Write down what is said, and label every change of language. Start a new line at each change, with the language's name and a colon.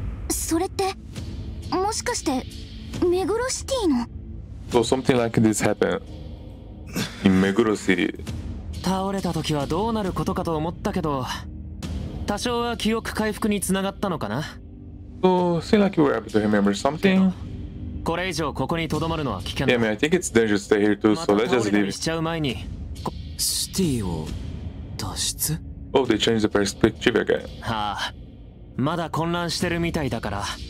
English: So something like this happened in Meguro City.
Japanese: 倒れた時はどうなることかと思ったけど、多少は記憶回復につながったのかな。
English: So seems like you were able to remember something. Yeah, man, I think it's dangerous to stay here too, so let's just leave. Oh, they changed the perspective again.
Japanese: まだ混乱してるみたいだから。